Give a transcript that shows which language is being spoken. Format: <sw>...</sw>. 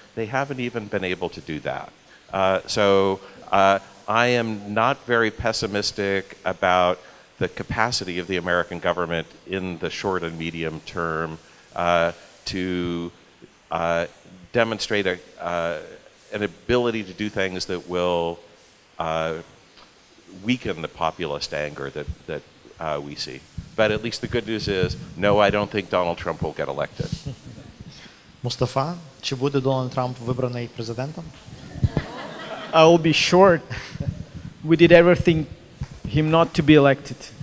<en>They haven't even been able to do that. I am not very pessimistic about the capacity of the American government in the short and medium term to demonstrate an ability to do things that will weaken the populist anger that we see. But at least the good news is, no, I don't think Donald Trump will get elected.</en> <uk>Mustafa, чи буде Дональд Трамп вибраний президентом?</uk> <en>I will be short. We did everything him not to be elected.</en>